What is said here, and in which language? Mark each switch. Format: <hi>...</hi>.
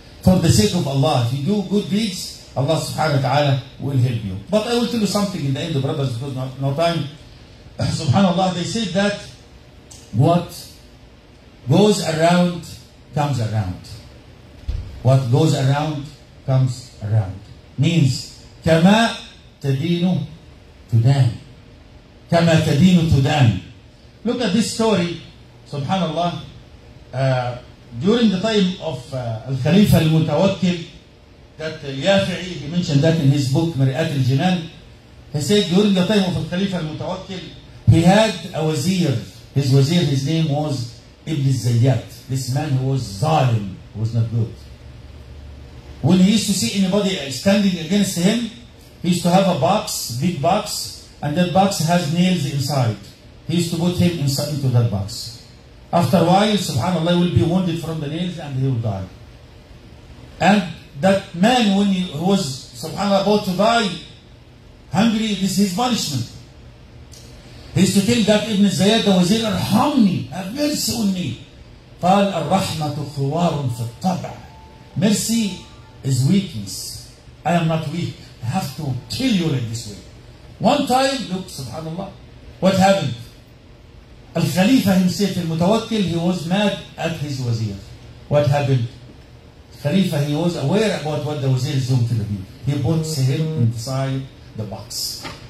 <en>For the sake of Allah, if you do good deeds, Allah subhanahu wa ta'ala will help you. But I will tell you something in the end, brothers, because no time. Subhanallah, they said that what goes around comes around. What goes around comes around.</en> <ar>Means, كَمَا تَدِينُ تُدَانِ كَمَا تَدِينُ تُدَانِ.</ar> <en>Look at this story, subhanallah, during the time of Al-Khalifa Al-Mutawakkil, that Al-Yafi'i, he mentioned that in his book, Mir'at Al-Jinan, he said during the time of Al-Khalifa Al-Mutawakkil, he had a wazir. His wazir, his name was Ibn Zayyat. This man who was zalim, who was not good. When he used to see anybody standing against him, he used to have a box, big box, and that box has nails inside. He used to put him inside into that box. After a while, subhanAllah, he will be wounded from the nails and he will die. And that man, when he was, subhanAllah, about to die, hungry, this is his punishment. He used to tell that Ibn Zayyad, the wazir, arhamni, have mercy on me.</en> <ar>قال الرحمة خوار في الطبع.</ar> <en>Mercy is weakness. I am not weak. I have to kill you in this way. One time, look, subhanAllah, what happened? Al-Khalifa himself, al-Mutawakkil, he was mad at his wazir. What happened? Khalifa, he was aware about what the wazir is going to do. He puts him inside the box.</en>